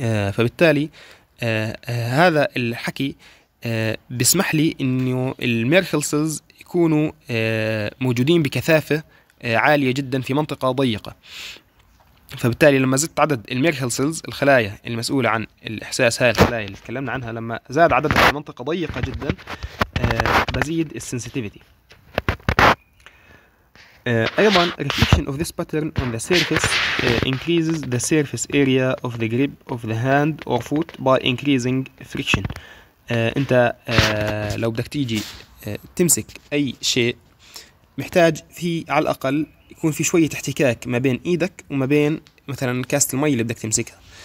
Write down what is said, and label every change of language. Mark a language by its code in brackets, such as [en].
[ar] فبالتالي هذا الحكي بيسمح لي انه الميركل سيلز يكونوا موجودين بكثافة عالية جدا في منطقة ضيقة. فبالتالي لما زدت عدد الميركل سيلز، الخلايا المسؤولة عن الإحساس، هاي الخلايا اللي تكلمنا عنها، لما زاد عددها في منطقة ضيقة جدا بزيد السنسيتيفيتي. أيضا [en] reflection of this pattern on the surface increases the surface area of the grip of the hand or foot by increasing friction. [ar] أنت لو بدك تيجي تمسك أي شيء، محتاج في على الأقل يكون في شوية احتكاك ما بين إيدك وما بين مثلا كاسة المي اللي بدك تمسكها.